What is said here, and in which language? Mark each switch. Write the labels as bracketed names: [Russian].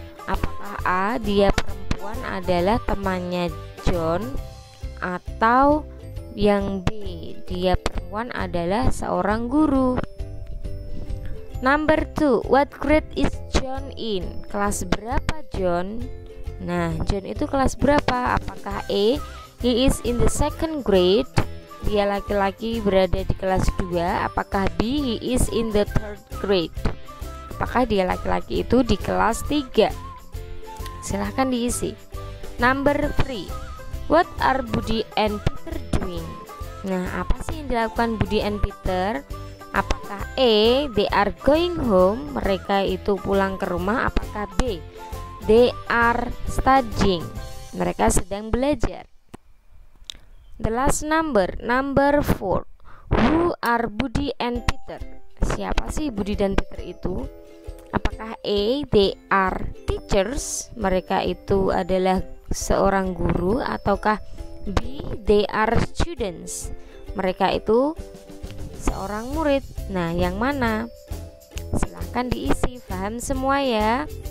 [Indonesian] Apakah A, dia perempuan adalah temannya John, atau yang B, dia perempuan adalah seorang guru? [English] Number 2, what grade is John in? Kelas berapa John? [Indonesian] Nah, John itu kelas berapa? [English] Apakah A, he is in the second grade? [Indonesian] Dia laki-laki berada di kelas 2. Apakah B, he is in the third grade? Apakah dia laki-laki itu di kelas 3? Silahkan diisi. [English] Number 3, what are Budi and Peter doing? [Indonesian] Nah, apa sih yang dilakukan Budi and Peter? Apakah A, they are going home, mereka itu pulang ke rumah? Apakah B, they are studying, mereka sedang belajar? [English] The last number, number 4, who are Budi and Peter? [Indonesian] Siapa sih Budi dan Peter itu? Apakah A, they are teachers, mereka itu adalah seorang guru? Ataukah B, they are students, mereka itu seorang murid? Nah, yang mana? Silahkan diisi, paham semua ya.